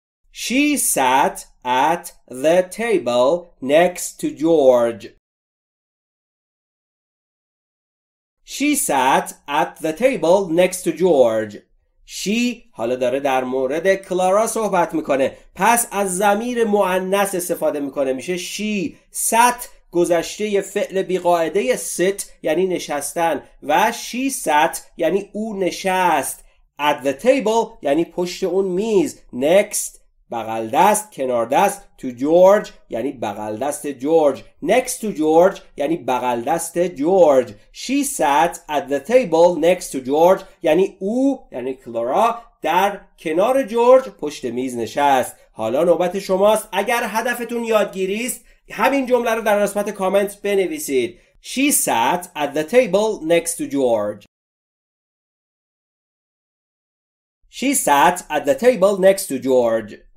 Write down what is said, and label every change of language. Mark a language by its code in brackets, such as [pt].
[en] She sat at the table next to George. She sat at the table next to George. [fa] She حالا داره در مورد کلارا صحبت میکنه، پس از ضمیر مؤنث استفاده میکنه، میشه she. Sat گذشته فعل بیقاعده sit یعنی نشستن، و [en] she sat [fa] یعنی او نشست. [en] At the table [fa] یعنی پشت اون میز. Next بغل دست، کنار دست. تو جورج یعنی بغل دست جورج. next to جورج یعنی بغل دست جورج. [en] she sat at the table next to [fa] جورج یعنی او، یعنی کلارا، در کنار جورج پشت میز نشست. حالا نوبت شماست اگر هدفتون یادگیری است همین جمله رو در قسمت کامنت بنویسید. [en] she sat at the table next to George. she sat at the table next to George.